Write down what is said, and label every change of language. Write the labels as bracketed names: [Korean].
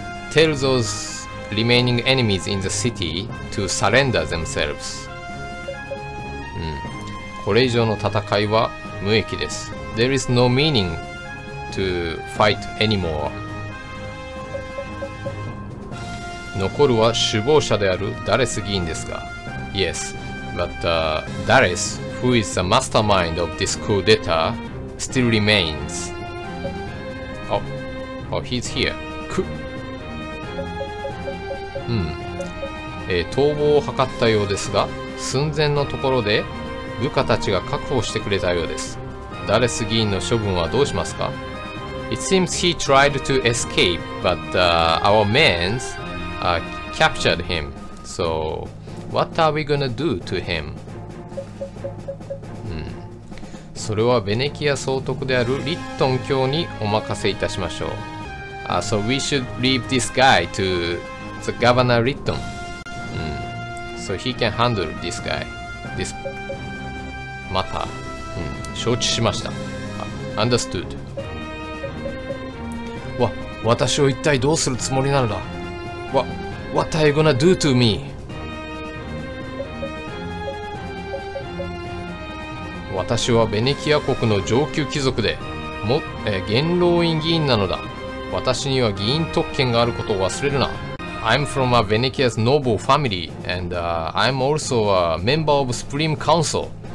[English] Tell those remaining enemies in the city to surrender themselves.、 [Japanese] これ以上の戦いは無益です。 [English] There is no meaning to fight anymore. [Japanese] 残るは首謀者であるダレス議員ですが。 [English] Yes, but ダレス、who is the mastermind of this coup d'etat, still remains. Oh, he's here. [Japanese] 逃亡を図ったようですが、寸前のところで部下たちが確保してくれたようです。ダレス議員の処分はどうしますか? [English] It seems he tried to escape, but、our men、captured him. So, what are we gonna do to him?、 [Japanese] それはベネキア総督であるリットン卿にお任せいたしましょう。 [English] So we should leave this guy to...The Governor Litton. So he can handle this guy. This matter. [Japanese] 承知しました。 [English] Understood. What? [Japanese] 私を一体どうするつもりなんだ? [English] What are you gonna do to me? [Japanese] 私はベネキア国の上級貴族で、元老院議員なのだ。私には議員特権があることを忘れるな。 [English] I'm from a Venetia's noble family, and、I'm also a member of Supreme Council.